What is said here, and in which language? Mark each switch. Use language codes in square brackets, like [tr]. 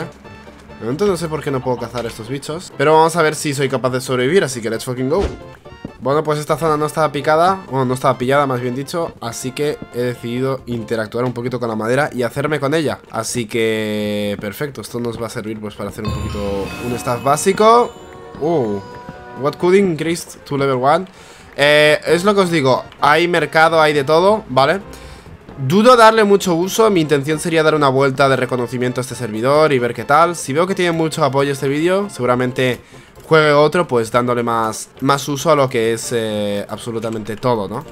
[es] De momento no sé por qué no puedo cazar estos bichos. Pero vamos a ver si soy capaz de sobrevivir, así que [en] let's fucking go. [es] Bueno, pues esta zona no estaba picada. Bueno, no estaba pillada, más bien dicho. Así que he decidido interactuar un poquito con la madera y hacerme con ella. Así que... perfecto. Esto nos va a servir pues para hacer un poquito un staff básico. [en] What could increase to level 1? [es] Es lo que os digo, hay mercado, hay de todo, ¿vale? Dudo darle mucho uso, mi intención sería dar una vuelta de reconocimiento a este servidor y ver qué tal. Si veo que tiene mucho apoyo este vídeo, seguramente juegue otro, pues dándole más uso a lo que es absolutamente todo, ¿no?